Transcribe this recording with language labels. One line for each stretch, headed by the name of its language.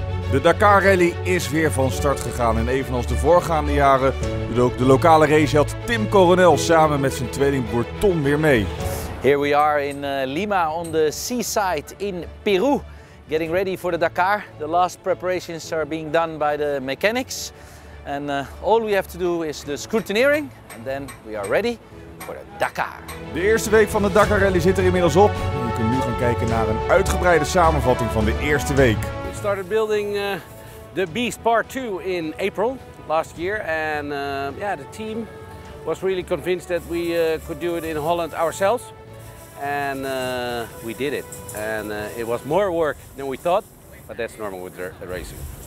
Dutch: De Dakar Rally is weer van start gegaan en evenals de voorgaande jaren doet ook de lokale raceheld Tim Coronel samen met zijn tweelingbroer Tom weer mee.
English: Here we are in Lima on the seaside in Peru, getting ready for the Dakar. The last preparations are being done by the mechanics. And all we have to do is the scrutineering and then we are ready for the Dakar.
Dutch: De eerste week van de Dakar Rally zit er inmiddels op. We kunnen nu gaan kijken naar een uitgebreide samenvatting van de eerste week.
English: We started building the Beast Part 2 in April last year and the team was really convinced that we could do it in Holland ourselves. And we did it. And it was more work than we thought, but that's normal with racing.